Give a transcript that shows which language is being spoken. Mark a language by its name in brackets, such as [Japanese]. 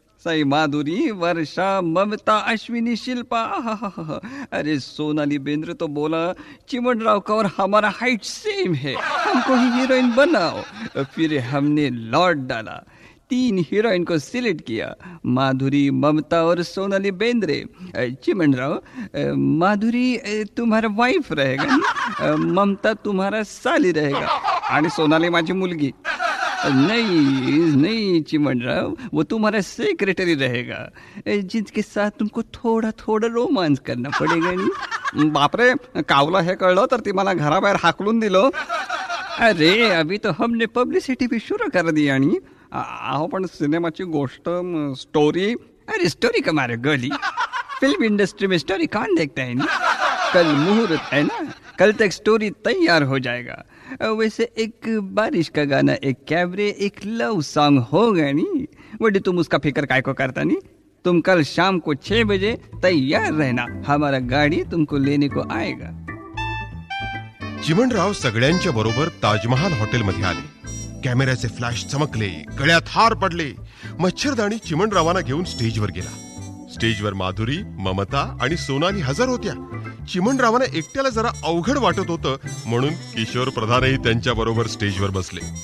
[Hindi] सही माधुरी, वर्षा, ममता, अश्विनी, शिल्पा, अरे सोनाली बेंद्र तो बोला चिमणराव का और हमारा हाइट सेम है, हमको ही हीरोइन बनाओ. फिर हमने लॉट डाला, तीन हीरोइन को सिलेक्ट किया, माधुरी, ममता और सोनाली बेंद्रे. चिमणराव, माधुरी तुम्हारा वाइफ रहेगा, ममता तुम्हारा साली रहेगा [Marathi] आणि सोनाली माझी मुलगी. [Hindi] नहीं नहीं चिमणराव, वो तुम्हारा सेक्रेटरी रहेगा जिसके साथ तुमको थोड़ा थोड़ा रोमांस करना पड़ेगा. नहीं [Marathi] बापरे, कावला है कळलं तर ती मला घराबाहेर हाकलून दिलो. [Hindi] अरे अभी तो हमने पब्लिसिटी भी शुरू कर दी [Marathi] आणि आहो पण सिनेमाची गोष्ट स्टोरी. [Hindi] अरे स्टोरी का मारे गली, फिल्म इंडस्ट्री में स्टोरी कौन देखता है नी? कल मुहूर्त है ना, कल तक स्टोरी तैयार हो जाएगा. वैसे एक बारिश का गाना, एक कैबरे, एक लव सॉन्ग हो गया नी, वडी तुम उसका फिकर काय को करता नी. तुम कल शाम को 6 बजे तैयार रहना, हमारा गाड़ी तुमको लेने को आएगा. [Marathi] चिमणराव सगळ्यांच्या बरोबर ताजमहाल हॉटेल मध्ये आले. कॅमेऱ्याचे फ्लॅश चमकले, गळ्यात हार पडले. मच्छरदाणी चिमणरावांना घेऊन स्टेजवर गेला. स्टेजवर माधुरी, ममता आणि सोनाली हजर होत्या. चिमणरावांना एकट्याला जरा अवघड वाटत होतं म्हणून किशोर प्रधानही त्यांच्या बरोबर स्टेजवर बसले.